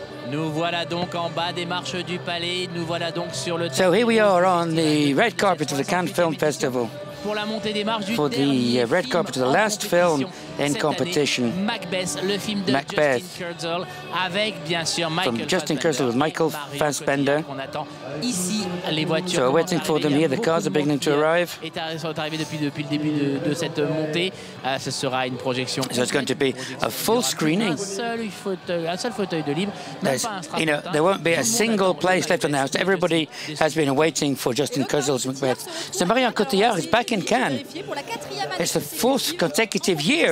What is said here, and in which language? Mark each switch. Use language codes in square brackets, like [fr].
[fr] Nous voilà donc en bas des marches du palais. Nous voilà donc sur le. [en] So here we are on the red carpet of the Cannes Film Festival. [fr] Pour la montée des marches du. [en] For the red carpet of the last film in competition. [fr] Macbeth, le film de Macbeth. Justin Kurzel, avec bien sûr Michael. [en] From Justin Kurzel with Michael Fassbender. [fr] On attend ici les voitures. [en] So we're waiting for them here. The cars are beginning to arrive. [fr] Et sont arrivés depuis le début de cette montée. Ce sera une projection. [en] So it's going to be a full screening. [fr] Un seul fauteuil de libre. [en] There's, you know, there won't be a single place left on the house. Everybody has been waiting for Justin Kurzel's Macbeth. So Marion Cotillard is back in Cannes. It's the fourth consecutive year.